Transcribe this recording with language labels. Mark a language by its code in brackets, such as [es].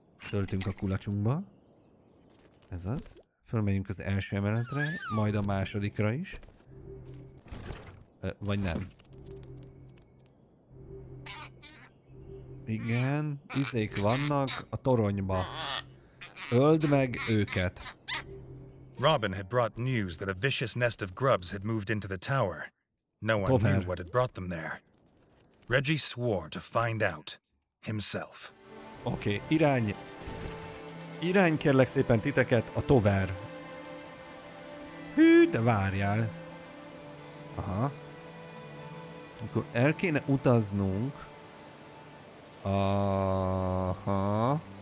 [hu] Töltünk a kulacsunkba. Ez az. Fölmegyünk az első emeletre, majd a másodikra is. Vagy nem. Igen, izék vannak a toronyba. Öld meg őket. [en] Robin had brought news that a vicious nest of grubs had moved into the tower. No one Tover. Knew what had brought them there. Reggie swore to find out himself. [hu] Oké, okay, irány kérlek szépen titeket a Tover. Hű, de várjál. Aha. Akkor el kéne utaznunk. Aha.